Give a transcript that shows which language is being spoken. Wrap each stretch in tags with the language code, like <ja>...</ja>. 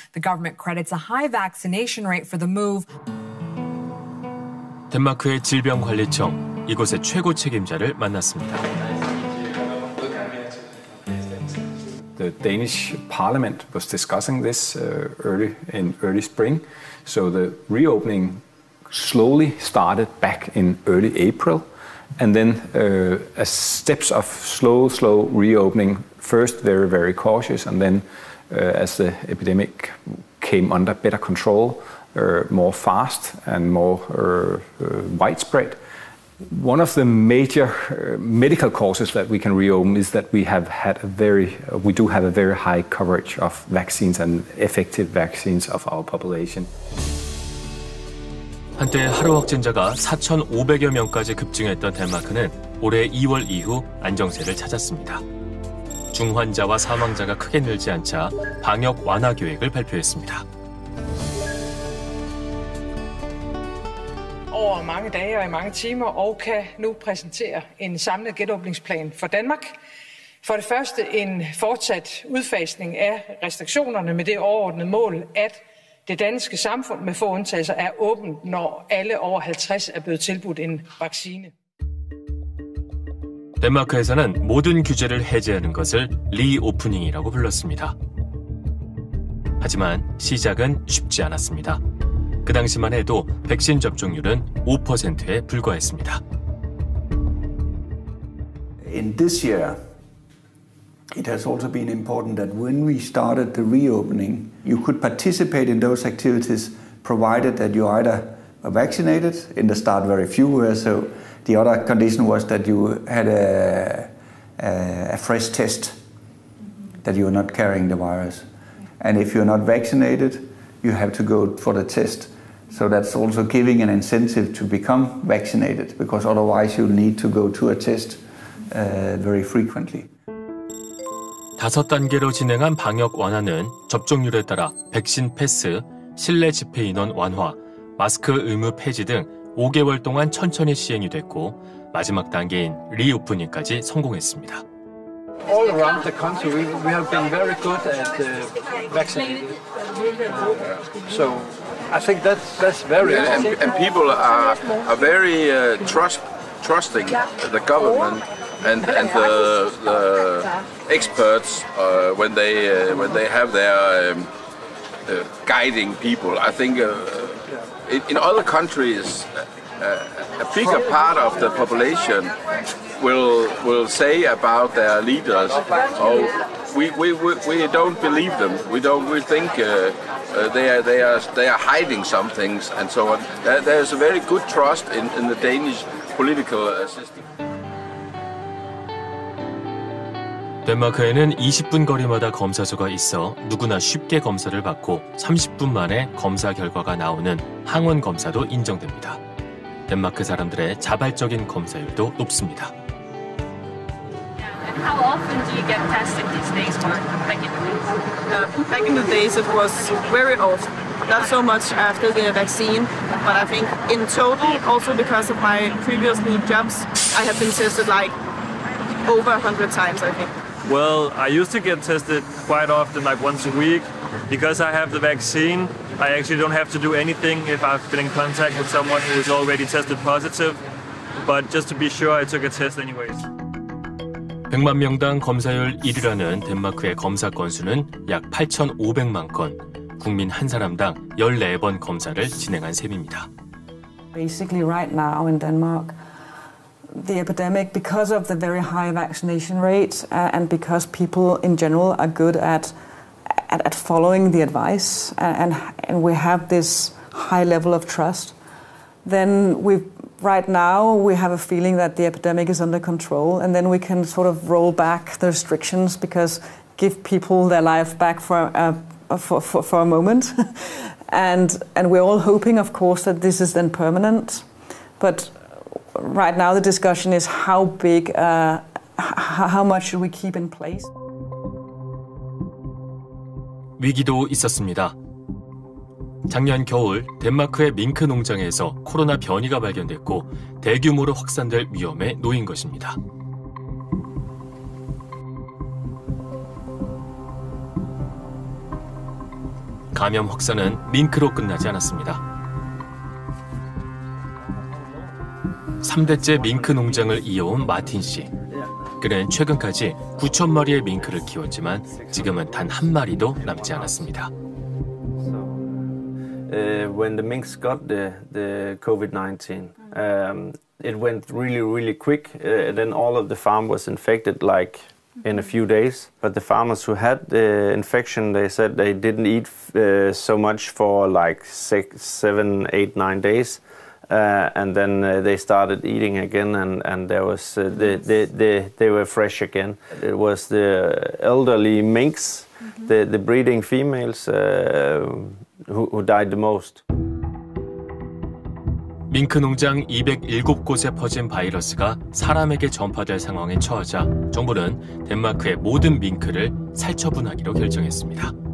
<en>The government credits a high vaccination rate for the move.</en> <ko>덴마크의 질병관리청, 이곳의 최고 책임자를 만났습니다.</ko> <en>The Danish parliament was discussing this early spring. So the reopening slowly started back in early April. And then steps of slow reopening, first very, very cautious. And then as the epidemic came under better control, more fast and more widespread. One of the major medical causes that we can reopen is that we do have a very high coverage of vaccines and effective vaccines of our population.</en> <ko>한때 하루 확진자가 4,500여 명까지 급증했던 덴마크는 올해 2월 이후 안정세를 찾았습니다. 중환자와 사망자가 크게 늘지 않자 방역 완화 계획을 발표했습니다. 오, 많은</ko> <da>dage og i mange timer og kan nu præsentere en samlet genåbningsplan for Danmark. For det første en fortsat udfasning af restriktionerne med det overordnede mål, at det danske samfund med få undtagelser er åbent, når alle over 50 er blevet tilbudt en vaccine.</da> <ko>Danmark에서는 모든 규제를 해제하는 것을 리오프닝이라고 불렀습니다. 하지만 시작은 쉽지 않았습니다. 그 당시만 해도 백신 접종률은 5%에 불과했습니다.</ko> <en>In this year, it has also been important that when we started the reopening, you could participate in those activities provided that you either were vaccinated. In the start, very few were, so the other condition was that you had a fresh test that you were not carrying the virus. And if you're not vaccinated, you have to go for the test. So that's also giving an incentive to become vaccinated, because otherwise you need to go to a test very frequently.</en> <ko>다섯 단계로 진행한 방역 완화는 접종률에 따라 백신 패스, 실내 집회 인원 완화, 마스크 의무 폐지 등 5개월 동안 천천히 시행이 됐고 마지막 단계인 리오프닝까지 성공했습니다.</ko> <en>All around the country, we have been very good at vaccinating. So I think that's very important. Yeah, and people are very trusting the government and the experts when they have their guiding people. I think in other countries, a bigger part of the population will say about their leaders, oh, we don't believe them. We think they are hiding some things and so on. There's a very good trust in the Danish political system.</en> <ko>덴마크에는 20분 거리마다 검사소가 있어 누구나 쉽게 검사를 받고 30분 만에 검사 결과가 나오는 항원 검사도 인정됩니다. 덴마크 사람들의 자발적인 검사율도 높습니다.</ko> <en>How often do you get tested these days, back in the days it was very often, not so much after the vaccine, but I think in total, also because of my previous new jobs, I have been tested like over 100 times, I think. Well, I used to get tested quite often, like once a week. Because I have the vaccine, I actually don't have to do anything if I've been in contact with someone who is already tested positive. But just to be sure, I took a test anyways.</en> <ko>100만 명당 검사율 1위라는 덴마크의 검사 건수는 약 8,500만 건. 국민 한 사람당 14번 검사를 진행한 셈입니다.</ko> <en>Basically right now in Denmark, the epidemic, because of the very high vaccination rate and because people in general are good at following the advice and we have this high level of trust, then right now we have a feeling that the epidemic is under control, and then we can sort of roll back the restrictions because give people their life back for a moment. and we're all hoping, of course, that this is then permanent. But right now the discussion is how much should we keep in place?</en> <ko>위기도 있었습니다. 작년 겨울 덴마크의 밍크 농장에서 코로나 변이가 발견됐고 대규모로 확산될 위험에 놓인 것입니다. 감염 확산은 밍크로 끝나지 않았습니다. 3대째 밍크 농장을 이어온 마틴 씨. 그는 최근까지 9천 마리의 밍크를 키웠지만 지금은 단 한 마리도 남지 않았습니다.</ko> <en>When the minks got the COVID-19, it went really, really quick. Then all of the farm was infected like in a few days. But the farmers who had the infection, they said they didn't eat so much for like 6, 7, 8, 9 days. And then they started eating again, and there was they were fresh again. It was the elderly minks, the breeding females, who died the most.</en> <ko>밍크 농장 207곳에 퍼진 바이러스가 사람에게 전파될 상황에 처하자 정부는 덴마크의 모든 밍크를 살처분하기로 결정했습니다.</ko>